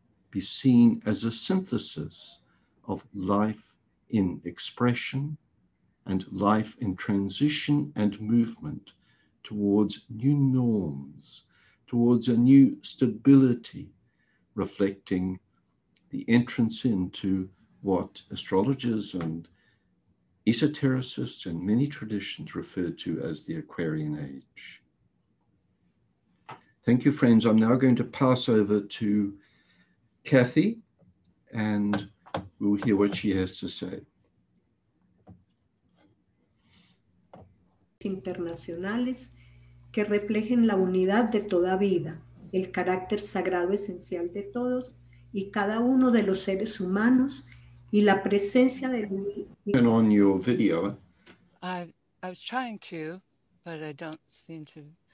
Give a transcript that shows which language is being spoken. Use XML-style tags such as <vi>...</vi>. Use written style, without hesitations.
<en>be seen as a synthesis of life in expression and life in transition and movement towards new norms, towards a new stability, reflecting the entrance into what astrologers and esotericists and many traditions refer to as the Aquarian Age. Thank you, friends. I'm now going to pass over to Kathy, and we'll hear what she has to say.</en> <es>Internacionales que reflejen la unidad de toda vida, el carácter sagrado esencial de todos y cada uno de los seres humanos y la presencia de...</es> <en>Turn on your video. I was trying to, but I don't seem to...</en>